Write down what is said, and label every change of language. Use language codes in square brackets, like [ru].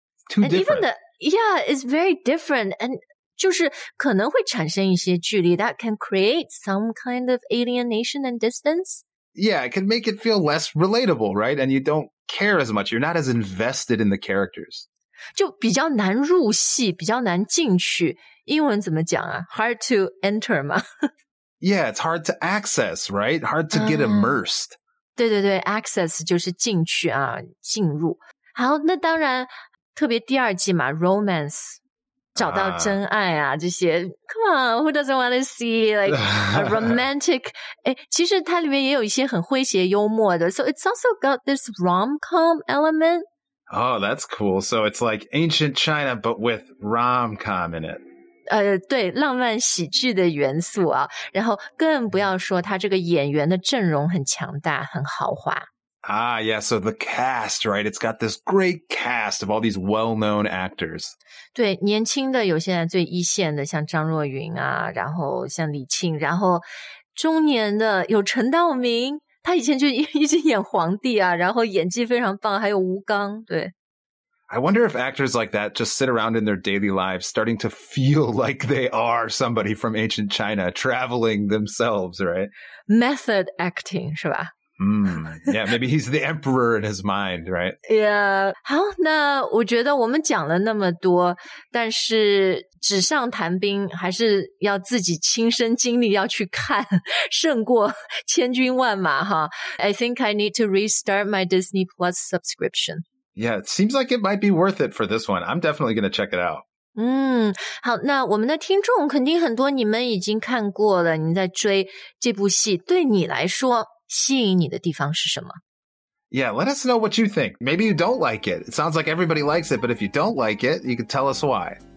[en] too different. Even the, yeah, it's very different, and [zh] 就是可能会产生一些距离 [en] that can create some kind of alienation and distance. Yeah, it can make it feel less relatable, right? And you don't care as much, you're not as invested in the characters. [zh] 就比较难入戏，比较难进去。英文怎么讲啊? [en] Hard to enter [zh] 吗? [en] Yeah, it's hard to access, right? Hard to get immersed. [zh] 对对对, access 就是进去啊,进入。好,那当然,特别第二季嘛, romance, 找到真爱啊,这些。 [en] Come on, who doesn't want to see like a romantic... [zh] 其实它里面也有一些很诙谐幽默的。 [en] So it's also got this rom-com element. Oh, that's cool. So it's like ancient China, but with rom-com in it. [zh] 对，浪漫喜剧的元素啊，然后更不要说他这个演员的阵容很强大，很豪华。 [en] Ah, yeah, so the cast, right? It's got this great cast of all these well-known actors. [zh] 对，年轻的有现在最一线的，像张若昀啊，然后像李沁，然后中年的有陈道明，他以前就一直演皇帝啊，然后演技非常棒，还有吴刚，对。 [en] I wonder if actors like that just sit around in their daily lives starting to feel like they are somebody from ancient China traveling themselves, right? Method acting, [zh] 是吧? [en] Yeah, maybe he's the emperor in his mind, right? Yeah. [zh] 好,那我觉得我们讲了那么多,但是纸上谈兵还是要自己亲身经历要去看,胜过千军万马哈。 [en] I think I need to restart my Disney Plus subscription. Yeah, it seems like it might be worth it for this one. I'm definitely going to check it out. [zh] 好，那我们的听众肯定很多你们已经看过了，你在追这部戏，对你来说，吸引你的地方是什么？ [en] Yeah, let us know what you think. Maybe you don't like it. It sounds like everybody likes it, but if you don't like it, you can tell us why.